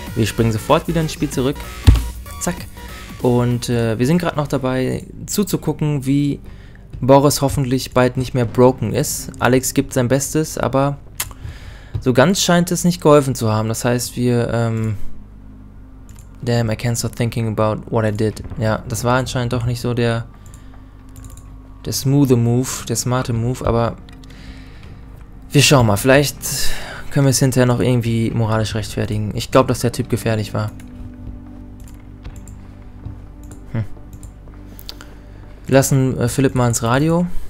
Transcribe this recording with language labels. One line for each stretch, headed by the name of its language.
German: Wir springen sofort wieder ins Spiel zurück. Zack. Und wir sind gerade noch dabei zuzugucken, wie Boris hoffentlich bald nicht mehr broken ist. Alex gibt sein Bestes, aber so ganz scheint es nicht geholfen zu haben. Das heißt, wir...
English: Damn, I can't stop thinking about what I did.
German: Ja, das war anscheinend doch nicht so der smarte Move, aber wir schauen mal. Vielleicht können wir es hinterher noch irgendwie moralisch rechtfertigen. Ich glaube, dass der Typ gefährlich war. Wir lassen Philipp mal ins Radio.